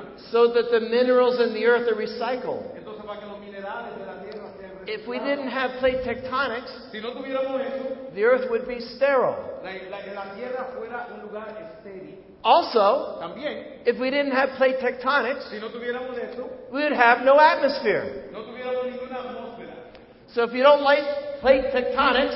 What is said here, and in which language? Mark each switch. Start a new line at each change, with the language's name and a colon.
English: So that the minerals in the earth are recycled.
Spanish: Entonces, para que los minerales de la tierra sean reciclados.
English: If we didn't have plate tectonics,
Spanish: si no tuviéramos eso,
English: the earth would be sterile.
Spanish: La tierra fuera un lugar estéril.
English: Also,
Spanish: también,
English: if we didn't have plate tectonics,
Spanish: si no tuviéramos eso,
English: we would have no atmosphere.
Spanish: No tuviéramos ninguna atmósfera.
English: So if you don't like plate tectonics,